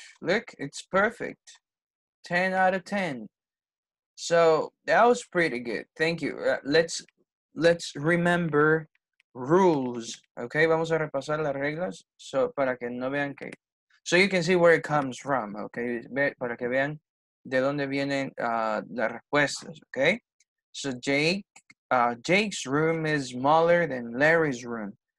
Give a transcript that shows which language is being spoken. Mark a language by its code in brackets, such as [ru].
[en] Look, it's perfect. 10 out of 10. So that was pretty good. Thank you. Let's remember rules. [es] Okay, vamos a repasar las reglas. So para que no vean que. [en] So you can see where it comes from. [es] Okay, para que vean de dónde vienen las respuestas. [en] Okay. So Jake's room is smaller than Larry's room.